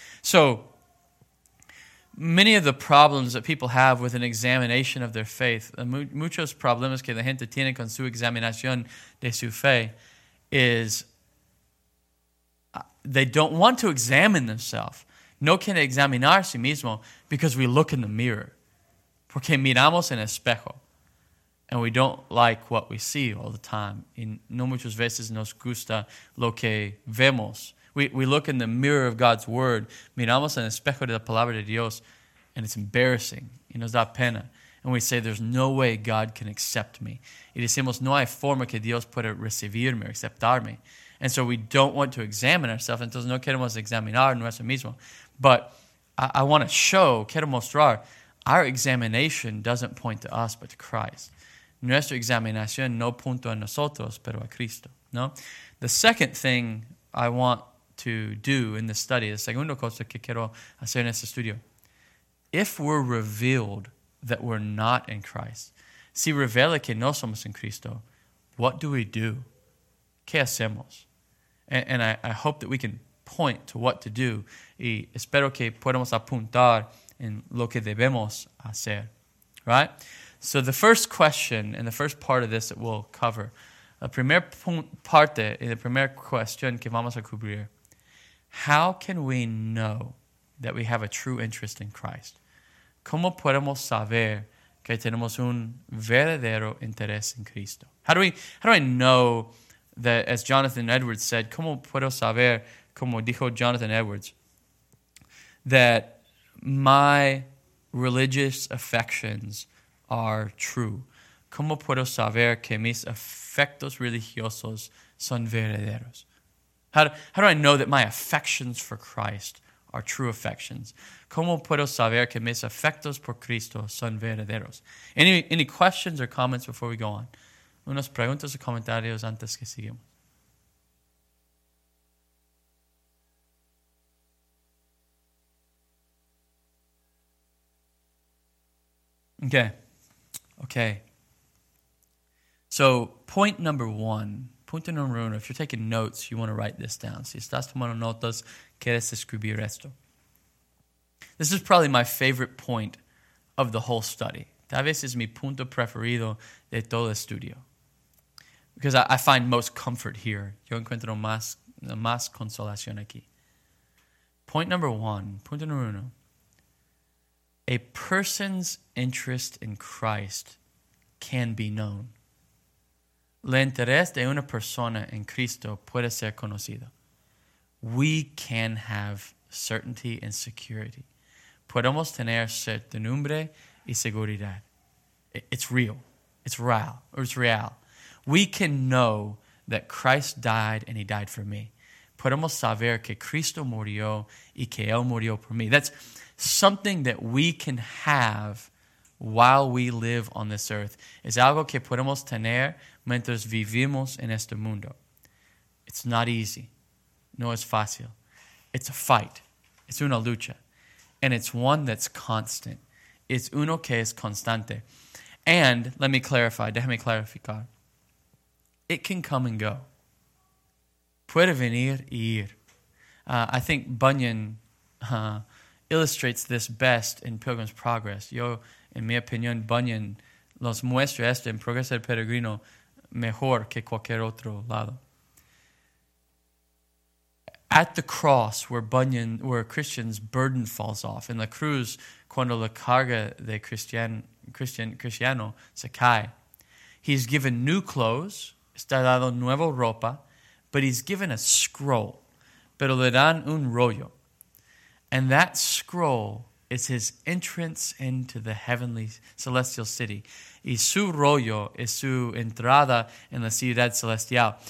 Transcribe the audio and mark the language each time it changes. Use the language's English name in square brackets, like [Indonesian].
[English] So, many of the problems that people have with an examination of their faith, [Spanish] muchos problemas que la gente tiene con su examinación de su fe, [English] is they don't want to examine themselves. [Spanish] No quiere examinar a sí mismo [English] because we look in the mirror. [Spanish] Porque miramos en espejo. [English] And we don't like what we see all the time. [Spanish] Y no muchas veces nos gusta lo que vemos. [English] We look in the mirror of God's word, [Spanish] miramos en el espejo de la palabra de Dios, [English] and it's embarrassing, [Spanish] y nos da pena. [English] And we say, there's no way God can accept me. [Spanish] Y decimos, no hay forma que Dios pueda recibirme, aceptarme. [English] And so we don't want to examine ourselves, [Spanish] entonces no queremos examinar nuestro mismo. [English] But I want to show, [Spanish] quiero mostrar, [English] our examination doesn't point to us, but to Christ. [Spanish] Nuestra examinación no apunta a nosotros, pero a Cristo. [English] No? The second thing I want to do in this study, the [Spanish] segunda cosa que quiero hacer en este estudio, [English] if we're revealed that we're not in Christ, [Spanish] si revela que no somos en Cristo, [English] what do we do? [Spanish] ¿Qué hacemos? [English] And I hope that we can point to what to do. [Spanish] Y espero que podamos apuntar en lo que debemos hacer. [English] Right? So the first question and the first part of this that we'll cover, [Spanish] la primera parte y la primera cuestión que vamos a cubrir, [English] how can we know that we have a true interest in Christ? [Spanish] ¿Cómo podemos saber que tenemos un verdadero interés en Cristo? [English] How do I know that, as Jonathan Edwards said, [Spanish] ¿cómo puedo saber, como dijo Jonathan Edwards, [English] that my religious affections are true? [Spanish] ¿Cómo puedo saber que mis afectos religiosos son verdaderos? [English] How do I know that my affections for Christ are true affections? [Spanish] ¿Cómo puedo saber que mis afectos por Cristo son verdaderos? [English] Any questions or comments before we go on? [Spanish] Unas preguntas o comentarios antes que sigamos. [English] Okay. So, [Spanish] punto número uno, [English] if you're taking notes, you want to write this down. [Spanish] Si estás tomando notas, quieres escribir esto. [English] This is probably my favorite point of the whole study. [Spanish] Tal vez es mi punto preferido de todo el estudio. [English] Because I find most comfort here. [Spanish] Yo encuentro más consolación aquí. Punto número uno. [English] A person's interest in Christ can be known. [Spanish] Le interés de una persona en Cristo puede ser conocido. [English] We can have certainty and security. [Spanish] Podemos tener certidumbre y seguridad. [English] It's real. It's real. We can know that Christ died and he died for me. [Spanish] Podemos saber que Cristo murió y que él murió por mí. [English] That's something that we can have while we live on this earth. [Spanish] Es algo que podemos tener mientras vivimos en este mundo. [English] It's not easy. [Spanish] No es fácil. [English] It's a fight. It's [Spanish] una lucha. [English] And it's one that's constant. It's [Spanish] uno que es constante. [English] And let me clarify. [Spanish] Déjame clarificar. [English] It can come and go. [Spanish] Puede venir y ir. [English] I think Bunyan illustrates this best in Pilgrim's Progress. [Spanish] Yo, en mi opinión, Bunyan los muestra esto en Progreso del Peregrino mejor que cualquier otro lado. [English] At the cross where Christian's burden falls off, [Spanish] en la cruz, cuando la carga de Cristiano se cae, [English] he's given new clothes, [Spanish] está dado nueva ropa, [English] but he's given a scroll, [Spanish] pero le dan un rollo. [English] And that scroll is his entrance into the heavenly celestial city. [Spanish] Y su rollo es su entrada en la ciudad celestial.